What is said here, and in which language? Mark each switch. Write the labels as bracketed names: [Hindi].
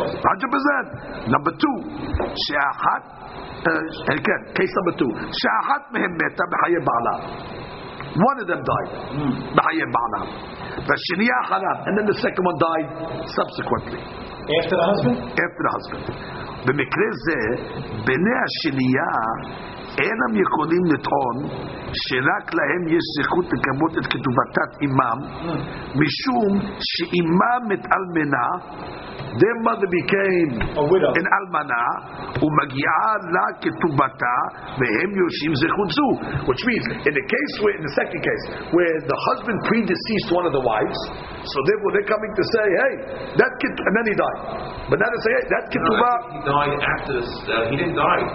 [English] 100%. Number two, she'ahat again, case number two, [Hebrew] she'ahat mehem meta b'chaye ba'ala, [English] one of them died b'chaye ba'ala, [Hebrew] v'shiniya acharav, [English] and then the second one died subsequently after the husband. [Hebrew] במקרה זה, בני השנייה אינם יכולים לטעון שרק להם יש זכות לקבות את כתובתת אימם, משום שאימם מתאלמנה, [English] their mother became an almana, [Hebrew] ומגיעה לה כתובתה, והם יושבים זכות זו. [English] Which means, in the second case, where the husband predeceased one of the wives, so therefore they're coming to say, hey, that ketubah, and then he died. But now they say, hey, that ketubah. He died after, he didn't die.